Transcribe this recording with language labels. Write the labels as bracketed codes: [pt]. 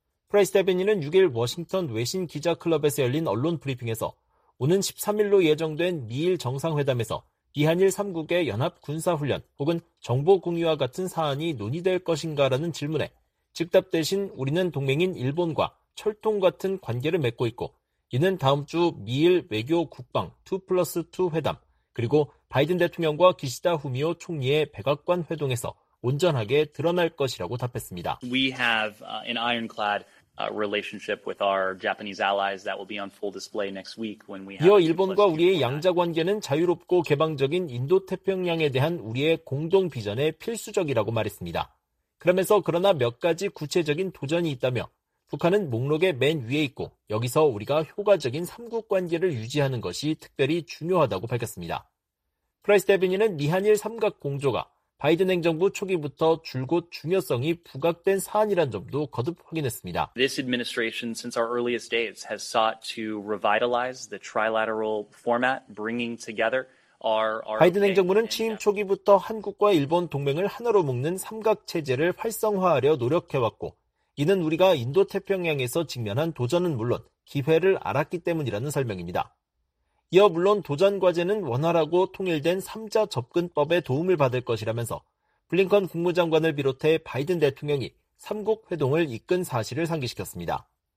[ko] 프라이스 대변인은 6일 워싱턴 외신 기자클럽에서 열린 언론 브리핑에서 오는 13일로 예정된 미일 정상회담에서 미한일 3국의 연합군사훈련 혹은 정보공유와 같은 사안이 논의될 것인가라는 질문에 즉답 대신 우리는 동맹인 일본과 철통 같은 관계를 맺고 있고 이는 다음 주 미일 외교 국방 2+2 회담 그리고 바이든 대통령과 기시다 후미오 총리의 백악관 회동에서 온전하게 드러날 것이라고 답했습니다. [en] We have an ironclad relationship with our Japanese allies that will be on full display next week when we have [ko] 이어 일본과 우리의 양자 관계는 자유롭고 개방적인 인도태평양에 대한 우리의 공동 비전에 필수적이라고 말했습니다. 그러면서 그러나 몇 가지 구체적인 도전이 있다며 북한은 목록의 맨 위에 있고 여기서 우리가 효과적인 3국 관계를 유지하는 것이 특별히 중요하다고 밝혔습니다. 프라이스 대변인은 미한일 삼각 공조가 바이든 행정부 초기부터 줄곧 중요성이 부각된 사안이란 점도 거듭 확인했습니다. [en] This administration since our earliest days has sought to revitalize the trilateral format, bringing together our [ko] 바이든 행정부는 취임 초기부터 한국과 일본 동맹을 하나로 묶는 삼각 체제를 활성화하려 노력해 왔고 이는 우리가 인도 태평양에서 직면한 도전은 물론 기회를 알았기 때문이라는 설명입니다. 이어 물론 도전 과제는 원활하고 통일된 3자 접근법에 도움을 받을 것이라면서 블링컨 국무장관을 비롯해 바이든 대통령이 3국 회동을 이끈 사실을 상기시켰습니다.